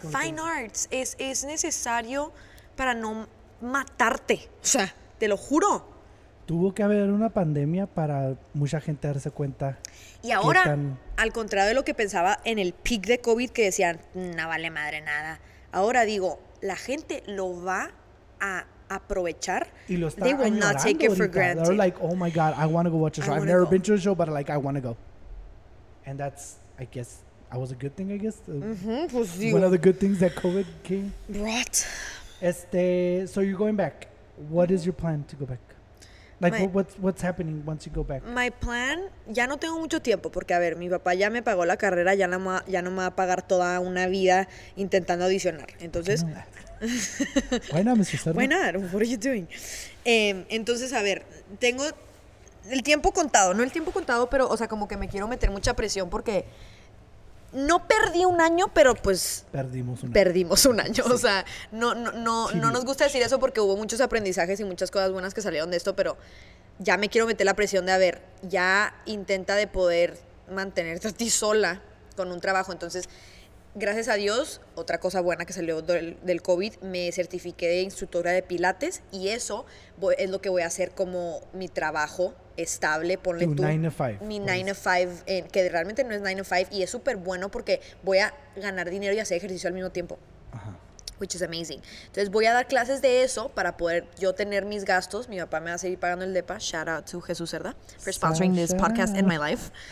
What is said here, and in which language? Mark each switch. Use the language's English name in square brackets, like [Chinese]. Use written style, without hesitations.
[English] Fine arts, [Spanish] es necesario para no matarte, o sea, te lo juro. Tuvo que haber una pandemia para mucha gente darse cuenta. Y ahora, al contrario de lo que pensaba en el peak de COVID, que decían, no vale madre nada. Ahora digo, la gente lo va a aprovechar. Y lo está añorando ahorita. [English] They will not take it for granted. They're like, oh my God, I want to go watch a show. I've never been to a show, but like, I want to go. And that's, I guess, that was a good thing, I guess. [Spanish] Mm-hmm, pues digo. [English] One of the good things that COVID came. What? So you're going back. What is your plan to go back? Like, what's happening once you go back? My plan, [Spanish] ya no tengo mucho tiempo, porque, a ver, mi papá ya me pagó la carrera, ya no me va a pagar toda una vida intentando audicionar. Entonces... [English] Why not, Mr. Cerda? Why not? What are you doing? [Spanish] Entonces, a ver, tengo el tiempo contado, no el tiempo contado, pero, o sea, como que me quiero meter mucha presión, porque no perdí un año, pero pues... Perdimos un año. Sí. O sea, no nos gusta decir eso porque hubo muchos aprendizajes y muchas cosas buenas que salieron de esto, pero ya me quiero meter la presión de, a ver, ya intenta de poder mantenerte a ti sola con un trabajo. Entonces, gracias a Dios, otra cosa buena que salió del COVID, me certifiqué de instructora de pilates y eso es lo que voy a hacer como mi trabajo estable, ponle tú. Mi [English] 9 to 5, [Spanish] que realmente no es [English] 9 to 5 [Spanish] y es súper bueno porque voy a ganar dinero y hacer ejercicio al mismo tiempo. Ajá. [English] Which is amazing. [Spanish] Entonces voy a dar clases de eso para poder yo tener mis gastos. Mi papá me va a seguir pagando el depa. [English] Shout out to Jesús Cerda for sponsoring this podcast in my life.